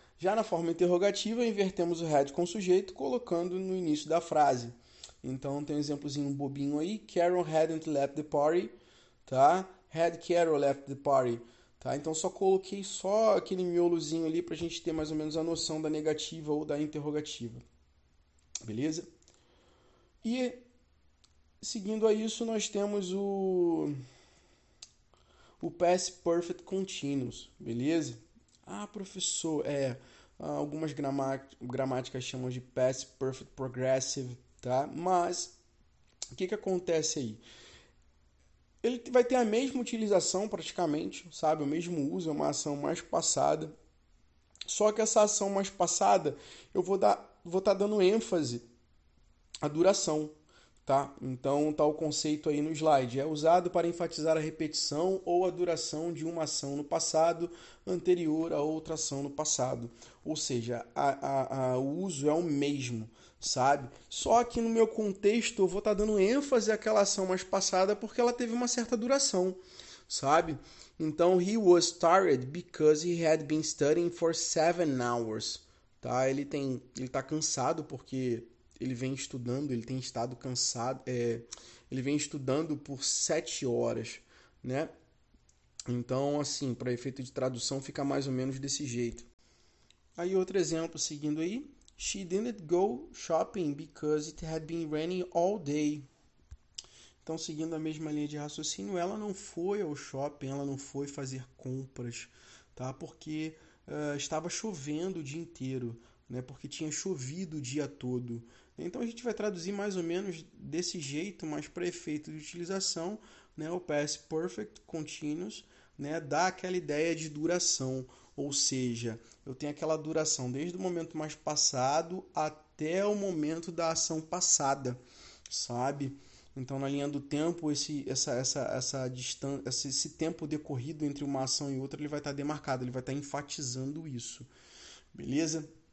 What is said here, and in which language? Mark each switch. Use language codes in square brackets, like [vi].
[pt] Já na forma interrogativa, invertemos o had com o sujeito, colocando no início da frase. Então tem um exemplozinho bobinho aí. [en] Carol hadn't left the party, tá? Had Carol left the party, tá? [pt] Então só coloquei só aquele miolozinho ali pra gente ter mais ou menos a noção da negativa ou da interrogativa. Beleza? E seguindo a isso, nós temos o past perfect continuous, beleza? Ah, professor, algumas gramáticas chamam de past perfect progressive. Tá? Mas o que que acontece aí? Ele vai ter a mesma utilização praticamente, sabe? O mesmo uso, é uma ação mais passada, Só que essa ação mais passada, eu vou tá dando ênfase à duração, tá? Então, tá o conceito aí no slide. É usado para enfatizar a repetição ou a duração de uma ação no passado anterior a outra ação no passado. Ou seja, o uso é o mesmo, sabe? Só que no meu contexto, eu vou tá dando ênfase àquela ação mais passada porque ela teve uma certa duração, sabe? [en] Então, he was tired because he had been studying for 7 hours. [pt] Tá? Ele tá cansado porque ele vem estudando, ele tem estado cansado. Ele vem estudando por 7 horas, né? Então, assim, para efeito de tradução, fica mais ou menos desse jeito. Aí, outro exemplo seguindo aí. [en] She didn't go shopping because it had been raining all day. [pt] Então, seguindo a mesma linha de raciocínio, ela não foi ao shopping, ela não foi fazer compras, tá? Porque estava chovendo o dia inteiro, né? Porque tinha chovido o dia todo. Então, a gente vai traduzir mais ou menos desse jeito, mas para efeito de utilização, né? O past perfect continuous, né? Dá aquela ideia de duração, ou seja, eu tenho aquela duração desde o momento mais passado até o momento da ação passada, sabe? Então, na linha do tempo, essa distância, esse tempo decorrido entre uma ação e outra, ele vai estar demarcado, ele vai estar enfatizando isso. Beleza?